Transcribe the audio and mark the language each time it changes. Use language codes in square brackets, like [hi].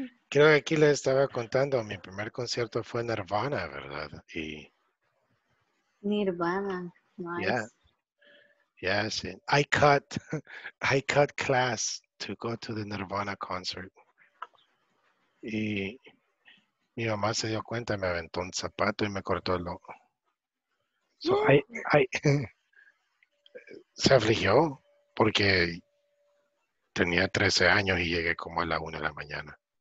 [es] Creo que aquí les estaba contando, mi primer concierto fue Nirvana, ¿verdad? Y [en] Nirvana, nice. Yeah. Yes, I cut class to go to the Nirvana concert. [es] Y mi mamá se dio cuenta, me aventó un zapato y me cortó el ojo. [en] So I [es] se afligió porque tenía 13 años y llegué como a la 1 de la mañana.